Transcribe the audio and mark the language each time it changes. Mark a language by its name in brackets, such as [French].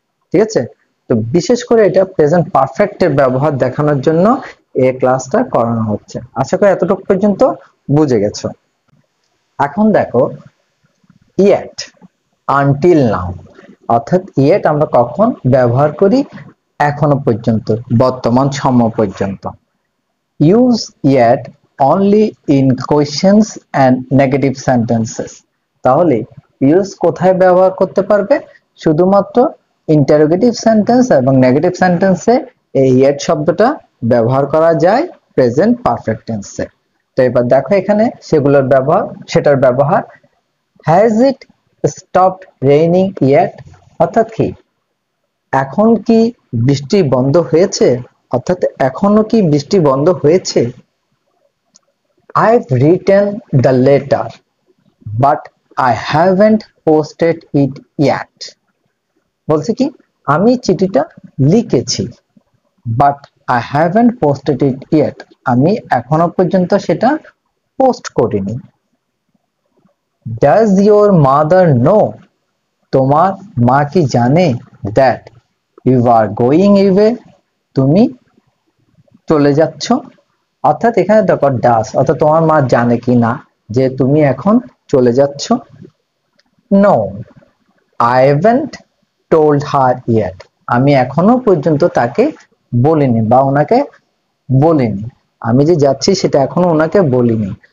[Bangla] ঠিক আছে, তো বিশেষ করে এটা প্রেজেন্ট পারফেক্ট এর ব্যবহার দেখানোর জন্য এ ক্লাসটা করানো হচ্ছে। আশা করি এতটুকু পর্যন্ত বুঝে গেছো। এখন দেখো, [English] yet until now, [Bangla] অর্থাৎ ইয়েট আমরা কখন ব্যবহার করি? এখনো পর্যন্ত, বর্তমান সময় পর্যন্ত। [English] Use yet only in questions and negative sentences. [Bangla] তাহলে use কোথায় ব্যবহার করতে পারবে? শুধুমাত্র interrogative sentence এবং negative sentence এ yet শব্দটা ব্যবহার করা যায় present perfect tense এ। তো এবার দেখো এখানে সেগুলোর ব্যবহার, সেটার ব্যবহার। [English] Has it stopped raining yet? [Bangla] অর্থাৎ কি? এখন কি বৃষ্টি বন্ধ হয়েছে? অর্থাৎ এখনো কি বৃষ্টি বন্ধ হয়েছে? [English] I've written the letter, but I haven't posted it yet. [Bangla] বলছি কি, আমি চিঠিটা লিখেছি, [English] but I haven't posted it yet. [Bangla] আমি এখনো পর্যন্ত সেটা পোস্ট করিনি। [English] Does your mother know? [Bangla] তোমার মা কি জানে [English] that you are going away? [Bangla] তুমি চলে যাচ্ছ। অর্থাৎ এখানে দেখো ডাস, অর্থাৎ তোমার মা জানে কি না যে তুমি এখন চলে যাচ্ছ। [English] no, I haven't told her yet, [Bangla] আমি এখনো পর্যন্ত তাকে বলিনি বা ওনাকে বলিনি, আমি যে যাচ্ছি সেটা এখনো ওনাকে বলিনি।